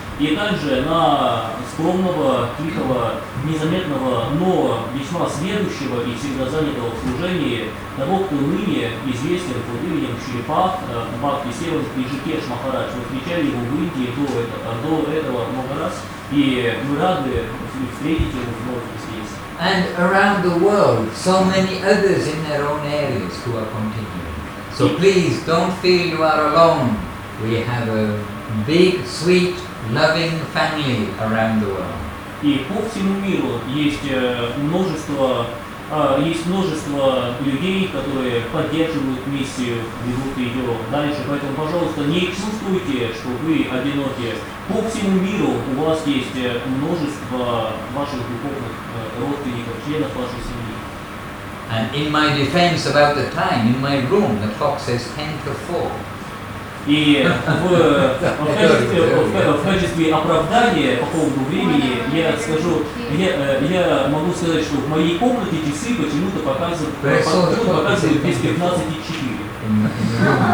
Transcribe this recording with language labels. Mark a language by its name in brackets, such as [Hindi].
[Russian] и также на скромного, тихого, незаметного, но весьма сведущего и всегда занятого в служении того, кто ныне известен под именем Черепах, Бхакти Сева Риджикеш Махарадж. Мы встречали его в Индии до этого много раз, и мы рады встретить его вновь здесь. [English] And around the world, so many others in their own areas who are continuing. So please, don't feel you are alone. We have a big, sweet, loving family around the world. [Russian] И по всему миру есть множество людей, которые поддерживают миссию, ведут ее дальше. Поэтому, пожалуйста, не чувствуйте, что вы одиноки. По всему миру у вас есть множество ваших духовных родственников, членов вашей семьи. [English] And in my defense about the time, in my room, the clock says 10 to 4. [Russian] И в качестве оправдания по поводу времени я скажу, я могу сказать, что в моей комнате часы почему-то показывают без 15:04.